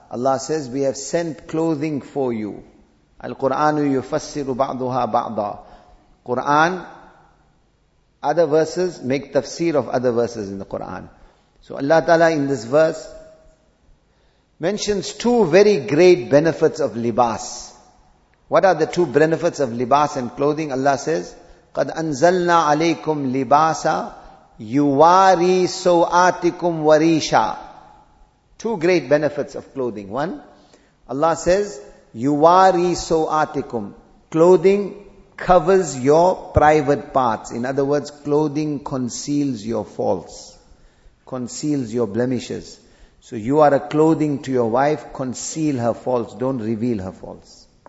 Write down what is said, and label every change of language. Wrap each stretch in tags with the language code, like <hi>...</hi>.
<en>Allah says, we have sent clothing for you.</en> <ar>Al-Qur'anu yufassiru ba'duha ba'da.</ar> <en>Quran, other verses make tafsir of other verses in the Quran. So Allah Ta'ala in this verse mentions two very great benefits of libas. What are the two benefits of libas and clothing? Allah says,</en> <ar>قَدْ أَنزَلْنَا عَلَيْكُمْ لِبَاسًا يُوَارِي سَوْآتِكُمْ وَرِيشًا.</ar> <en>Two great benefits of clothing. One, Allah says,</en> <ar>يُوَارِي سَوْآتِكُمْ.</ar> <en>Clothing covers your private parts. In other words, clothing conceals your faults, conceals your blemishes. So you are a clothing to your wife, conceal her faults, don't reveal her faults.</en>